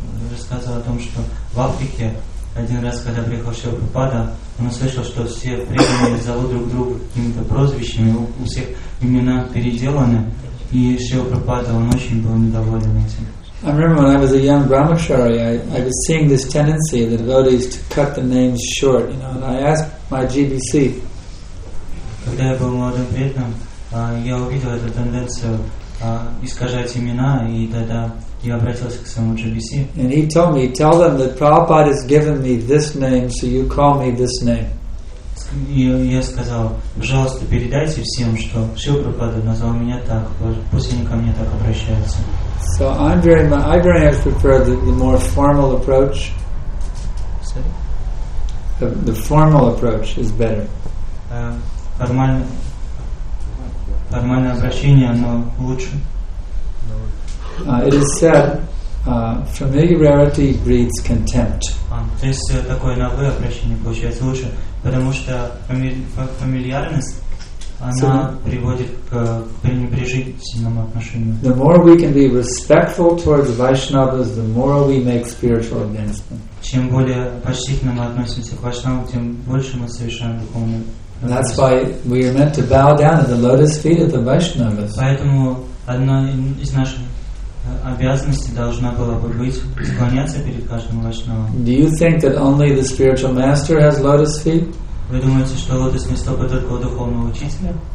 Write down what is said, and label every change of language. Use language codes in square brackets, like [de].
[ru] Рассказывал о том, что в Африке один раз, когда приехал Шрила Прабхупада, он услышал, что все преданные зовут друг друга какими-то прозвищами, у всех имена переделаны, и Шрила Прабхупада, он очень был недоволен этим. [en] I remember when I was a young Brahmacharya, I was seeing this tendency of the devotees to cut the names short, you know, and I asked my GBC. [ru] Когда я был молодым преданным, я увидел эту тенденцию искажать имена, и тогда я обратился к своему GBC. [en] And he told me, tell them that Prabhupada has given me this name, so you call me this name. [ru] Я сказал, пожалуйста, передайте всем, что Шрила Прабхупада назвал меня так, пусть они ко мне так обращаются. [en] So I very much prefer the more formal approach. Sorry? The formal approach is better. [ru] Формальное обращение, оно лучше. [en] It is said, familiarity breeds contempt. [ru] То есть такое новое обращение получается лучше, потому что фамильярность она приводит к пренебрежительному отношению. [en] The more we can be respectful towards Vaishnavas, the more we make spiritual advancement. [ru] Чем более почтительно мы относимся к Вайшнавам, тем больше мы совершаем духовный прогресс. [en] That's why we are meant to bow down at the lotus feet of the Vaishnavas. [ru] Поэтому одна из наших обязанности должна была бы быть склоняться перед каждым вайшнавом. [en] Do you think that only the spiritual master has lotus feet? [ru] Вы думаете, что лотосные стопы только у духовного учителя?